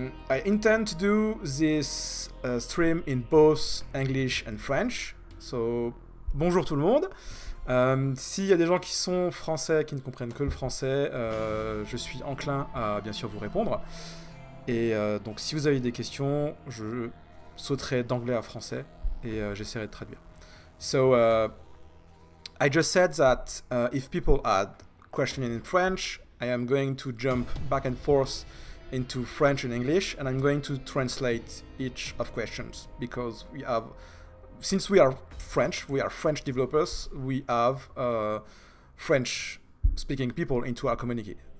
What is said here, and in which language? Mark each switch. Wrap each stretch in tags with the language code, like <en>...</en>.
<en>I intend to do this stream in both English and French.</en> <fr>So bonjour tout le monde. S'il y a des gens qui sont français qui ne comprennent que le français, je suis enclin à bien sûr vous répondre. Et donc si vous avez des questions, je sauterai d'anglais à français et j'essaierai de traduire.</fr> <en>So I just said that if people had questions in French, I am going to jump back and forth into French and English, and I'm going to translate each of questions because we have, since we are French, we are French developers, we have French speaking people into our community.</en>